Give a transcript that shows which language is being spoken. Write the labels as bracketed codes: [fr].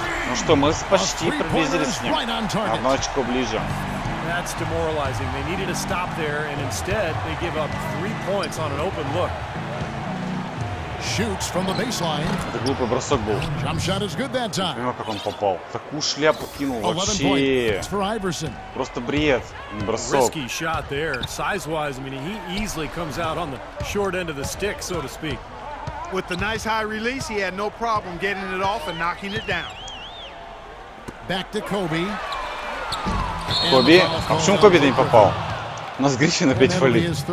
[ru] Ну что, мы почти приблизились с ним. Одно очко ближе. [en] That's demoralizing. They needed a stop there, and instead they give up 3 points on an open look. Shoots from the baseline. [ru] Это глупый бросок был. [en] Jump shot is good that time. [ru] Не понимаю, как он попал. Такую шляпу кинул вообще. Просто бред. Бросок. [en] Risky shot there. Size-wise, I mean, he easily comes out on the short end of the stick, so to speak. With the nice high release, he had no problem getting it off and knocking it down. Back to Kobe. [ru] Коби? А почему Коби-то не попал? У нас Гришин опять фолит.